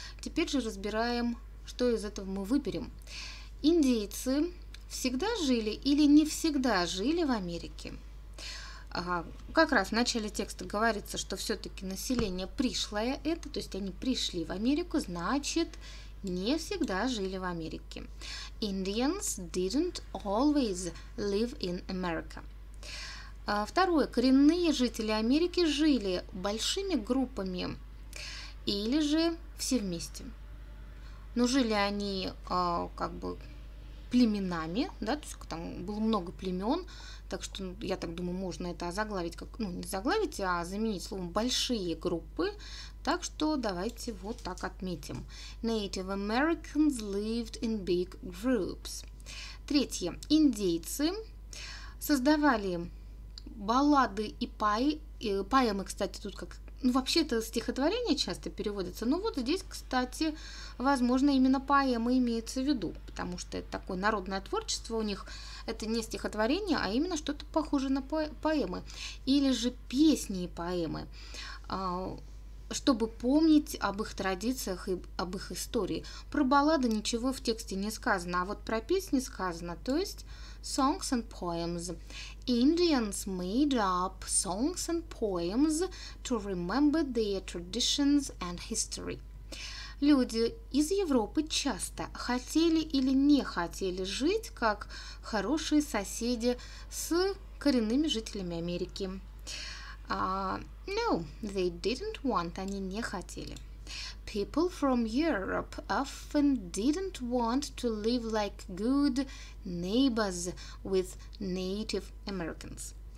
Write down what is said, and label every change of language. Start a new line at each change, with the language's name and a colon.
Russian: Теперь же разбираем, что из этого мы выберем. Индейцы всегда жили или не всегда жили в Америке? Как раз в начале текста говорится, что все-таки население пришлое это, то есть они пришли в Америку, значит, не всегда жили в Америке.
English: Indians didn't always live in America.
Russian: Второе. Коренные жители Америки жили большими группами или же все вместе. Но жили они как бы племенами, да, то есть там было много племен, так что, я так думаю, можно это озаглавить, как, ну, не заглавить, а заменить словом «большие группы», так что давайте вот так отметим.
English: Native Americans lived in big groups.
Russian: Третье. Индейцы создавали баллады и поэмы, кстати, тут как, ну, вообще-то стихотворение часто переводится, но вот здесь, кстати, возможно, именно поэмы имеется в виду, потому что это такое народное творчество у них, это не стихотворение, а именно что-то похожее на поэмы, или же песни и поэмы, чтобы помнить об их традициях и об их истории. Про баллады ничего в тексте не сказано, а вот про песни сказано, то есть
English: songs and poems. Indians made up songs and poems to remember their traditions and history.
Russian: Люди из Европы часто хотели или не хотели жить как хорошие соседи с коренными жителями Америки.
English: No, they didn't want,
Russian: они не хотели.
English: People from Europe often didn't want to live like good neighbors with Native Americans.